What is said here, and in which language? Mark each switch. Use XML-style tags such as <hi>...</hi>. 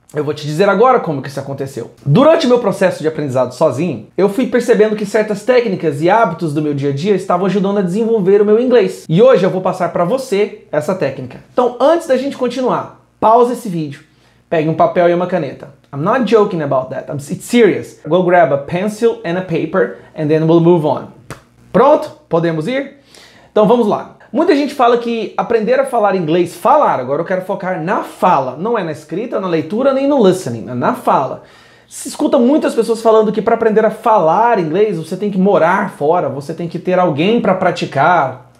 <pt>Eu vou te dizer agora como que isso aconteceu. Durante o meu processo de aprendizado sozinho, eu fui percebendo que certas técnicas e hábitos do meu dia a dia estavam ajudando a desenvolver o meu inglês. E hoje eu vou passar para você essa técnica. Então, antes da gente continuar, pause esse vídeo. Pegue um papel e uma caneta.</pt> <en>I'm not joking about that. It's serious. Go grab a pencil and a paper and then we'll move on.</en> <pt>Pronto? Podemos ir? Então, vamos lá. Muita gente fala que aprender a falar inglês, falar, agora eu quero focar na fala, não é na escrita, na leitura, nem no listening, é na fala. Se escuta muitas pessoas falando que para aprender a falar inglês, você tem que morar fora, você tem que ter alguém para praticar.</pt>